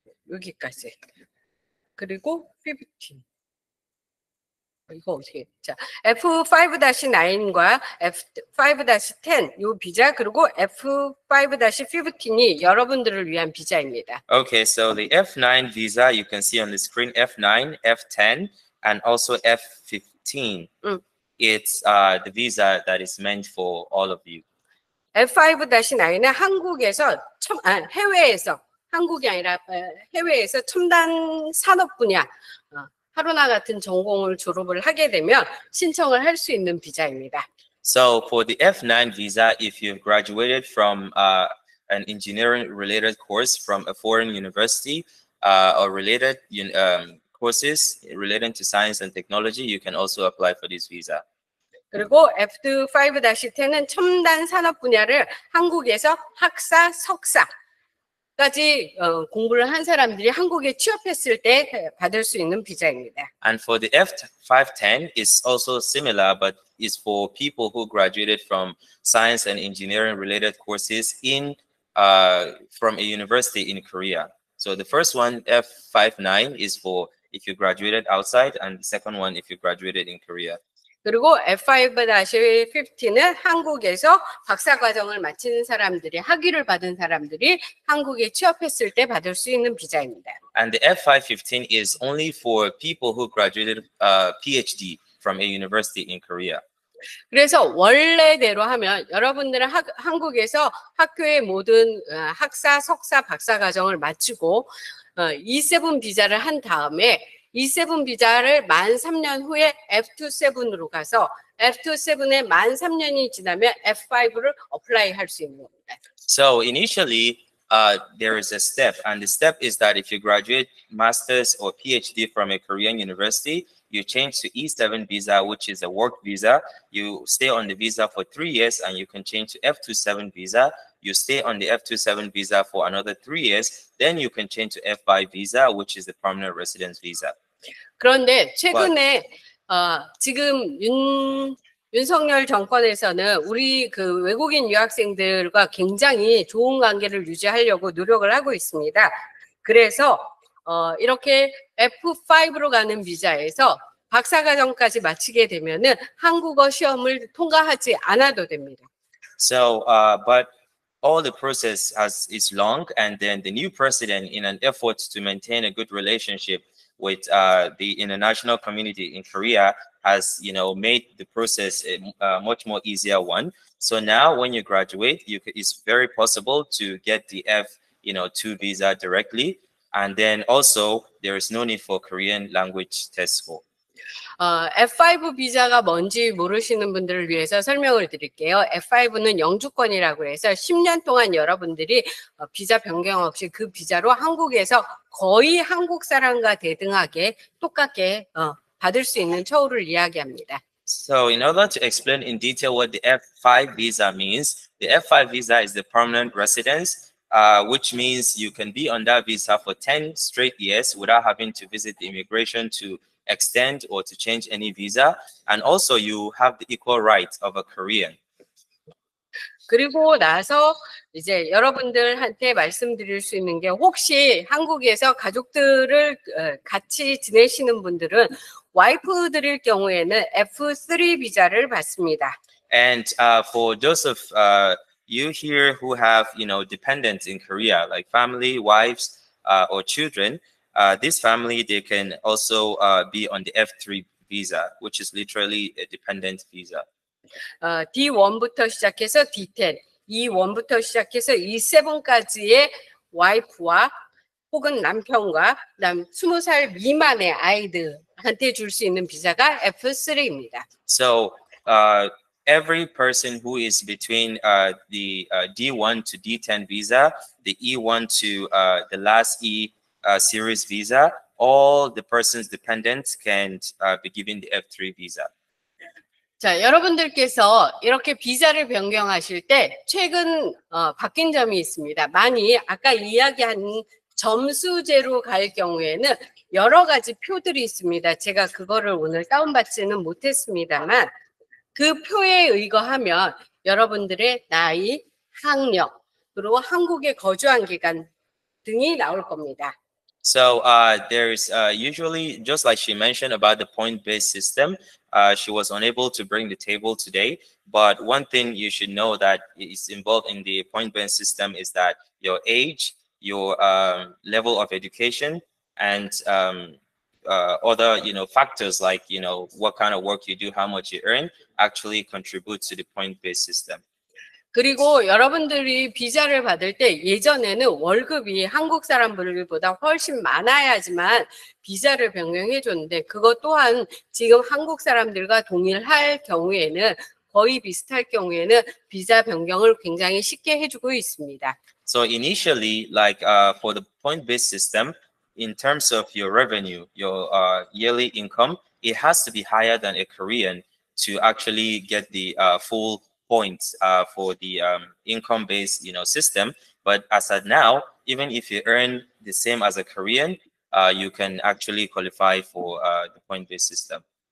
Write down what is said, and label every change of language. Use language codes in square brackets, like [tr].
[ko] 여기까지. 그리고 15. 이거 어떻게? 자, F5-9과 F5-10 요 비자, 그리고 F5-15이 여러분들을 위한 비자입니다. [en] Okay, so the F9 visa, you can see on the screen, F9, F10, and also F15. It's the visa that is meant for all of you. [ko] F5-9은 한국에서 해외에서 한국이 아니라 해외에서 첨단 산업 분야 하루나 같은 전공을 졸업을 하게 되면 신청을 할 수 있는 비자입니다. [en] So for the F9 visa, if you've graduated from an engineering-related course from a foreign university or related courses relating to science and technology, you can also apply for this visa. [ko] 그리고 F5-10은 첨단 산업 분야를 한국에서 학사, 석사 까지 공부를 한 사람들이 한국에 취업했을 때 받을 수 있는 비자입니다. [en] And for the F510 is also similar but is for people who graduated from science and engineering related courses in from a university in Korea. So the first one F59 is for if you graduated outside and the second one if you graduated in Korea. [ko] 그리고 F5-15은 한국에서 박사 과정을 마친 사람들이 학위를 받은 사람들이 한국에 취업했을 때 받을 수 있는 비자입니다. [en] And the F515 is only for people who graduated PhD from a university in Korea. [ko] 그래서 원래대로 하면 여러분들은 한국에서 학교의 모든 학사, 석사, 박사 과정을 마치고 E7 비자를 한 다음에 E7 비자를 만 3년 후에 F27으로 가서 F27에 만 3년이 지나면 F5를 어플라이 할 수 있는 겁니다. [en] So initially there is a step and the step is that if you graduate masters or PhD from a Korean university, you change to E7 visa which is a work visa, you stay on the visa for 3 years and you can change to F27 visa. You stay on the F27 visa for another 3 years, then you can change to F5 visa, which is the permanent residence visa. [ko] 그런데 최근에 지금 윤석열 정권에서는 우리 그 외국인 유학생들과 굉장히 좋은 관계를 유지하려고 노력을 하고 있습니다. 그래서 이렇게 F5로 가는 비자에서 박사 과정까지 마치게 되면은 한국어 시험을 통과하지 않아도 됩니다. [en] So, but all the process is long, and then the new president, in an effort to maintain a good relationship with the international community in Korea, has made the process a much more easier one. So now, when you graduate, it's very possible to get the F2 visa directly, and then also there is no need for Korean language test score. [ko] F5 비자가 뭔지 모르시는 분들을 위해서 설명을 드릴게요. F5는 영주권이라고 해서 10년 동안 여러분들이 비자 변경 없이 그 비자로 한국에서 거의 한국 사람과 대등하게 똑같게 받을 수 있는 처우를 이야기합니다. [en] So in order to explain in detail what the F5 visa means, the F5 visa is the permanent residence, which means you can be on that visa for 10 straight years without having to visit the immigration to extend or to change any visa, and also you have the equal rights of a Korean. [ko] 그리고 나서 이제 여러분들한테 말씀드릴 수 있는 게 혹시 한국에서 가족들을 같이 지내시는 분들은 와이프들일 경우에는 F3 비자를 받습니다. [en] And for those of you here who have dependents in Korea, like family, wives, or children. This family, they can also be on the F3 visa, which is literally a dependent visa. [ko] D1부터 시작해서 D10, E1부터 시작해서 E7까지의 와이프와 혹은 남편과 그다음 20살 미만의 아이들한테 줄 수 있는 비자가 F3입니다. [en] So every person who is between D1 to D10 visa, the E1 to the last E, series visa, all the persons dependent can be given the F3 visa. [ko] 자, 여러분들께서 이렇게 비자를 변경하실 때 최근 바뀐 점이 있습니다. 많이 아까 이야기한 점수제로 갈 경우에는 여러 가지 표들이 있습니다. 제가 그거를 오늘 다운받지는 못했습니다만 그 표에 의거하면 여러분들의 나이, 학력, 그리고 한국에 거주한 기간 등이 나올 겁니다. [en] So there's usually, just like she mentioned about the point-based system, she was unable to bring the table today. But one thing you should know that is involved in the point-based system is that your age, your level of education, and other factors like what kind of work you do, how much you earn, actually contribute to the point-based system. [ko] 그리고 여러분들이 비자를 받을 때 예전에는 월급이 한국 사람들보다 훨씬 많아야지만 비자를 변경해 줬는데 그것 또한 지금 한국 사람들과 동일할 경우에는 거의 비슷할 경우에는 비자 변경을 굉장히 쉽게 해주고 있습니다. [en] So initially, like for the point-based system, in terms of your revenue, your yearly income, it has to be higher than a Korean to actually get the full points for the income-based, you know, system. But as of now, even if you earn the same as a Korean, you can actually qualify for the point-based system.